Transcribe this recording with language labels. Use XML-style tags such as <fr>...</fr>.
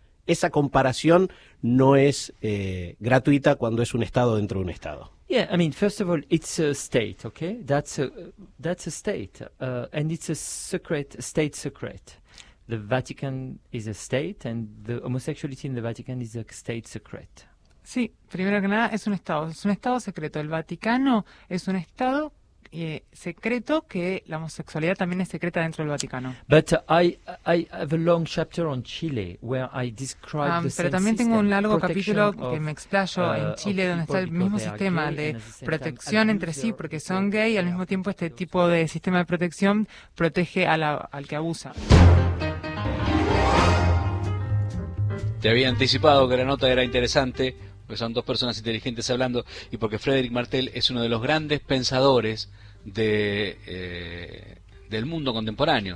<es>Esa comparación no es gratuita cuando es un estado dentro de un estado.</es> <en>Yeah, I mean, first of all, it's a state, okay? That's a state, and it's a secret state secret. The Vatican is a state, and the homosexuality in the Vatican is a state secret.</en> <es>Sí, primero que nada, es un estado secreto. El Vaticano es un estado. Y secreto que la homosexualidad también es secreta dentro del Vaticano.</es> <en>But I have a long chapter on Chile where I describe the</en> <es>pero también tengo un largo capítulo que me explayo en Chile donde está el mismo sistema de protección entre sí porque son gay y al mismo tiempo este tipo de sistema de protección protege al que abusa. Te había anticipado que la nota era interesante porque son dos personas inteligentes hablando y porque Frederic Martel es uno de los grandes pensadores del mundo contemporáneo.</es>